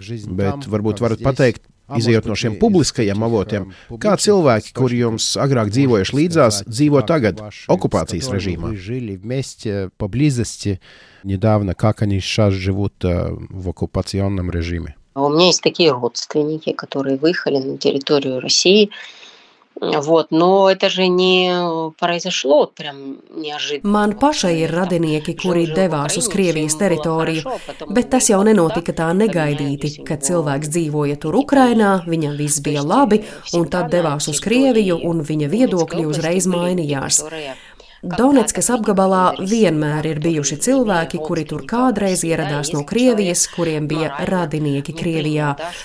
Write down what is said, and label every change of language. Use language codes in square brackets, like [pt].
[lv] Bet varbūt varat pateikt, izejot no šiem publiskajiem avotiem, kā cilvēki, kuri jums agrāk dzīvojuši līdzās, dzīvo tagad okupācijas režīmā? [ru] Vi žili vmēsti poblizasti nedāvna, kāk aņi šās dzīvot v okupacionam režīmi? У меня есть такие родственники, которые выехали на территорию России. Вот, но это же не произошло прям неожиданно. [lv] Man pašai ir radinieki, kuri devās uz Krievijas teritoriju, bet tas jau nenotika tā negaidīti, kad cilvēks dzīvoja tur Ukrainā, viņam viss bija labi, un tad devās uz Krieviju, un viņa viedokļi uzreiz mainījās. Donetskas apgabalā vienmēr ir bijuši cilvēki, kuri tur kādreiz ieradās no Krievijas, kuriem bija radinieki Krievijā.